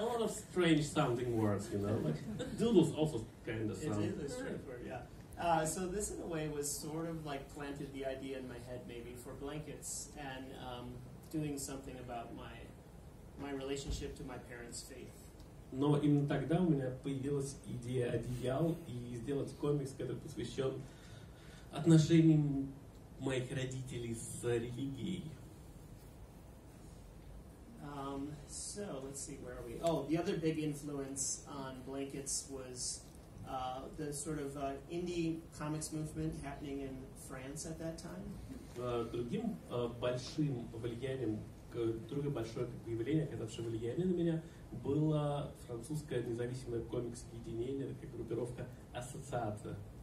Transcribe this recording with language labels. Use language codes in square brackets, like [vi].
[en] a lot of strange sounding words, you know. Like doodles also kind of sound. It is a strange word, yeah. So this, in a way, was sort of like planted the idea in my head, maybe for blankets and doing something about my relationship to my parents' faith. [ru] Но именно тогда у меня появилась идея одеял и сделать комикс, который посвящен отношениям моих родителей с религией. [en] So let's see, where are we? Oh, the other big influence on blankets was the sort of indie comics movement happening in France at that time. [ru] Другим большим влиянием, другое большое явление, оказавшее влияние на меня, было французское независимое комикс объединение, такая группировка ассоциация.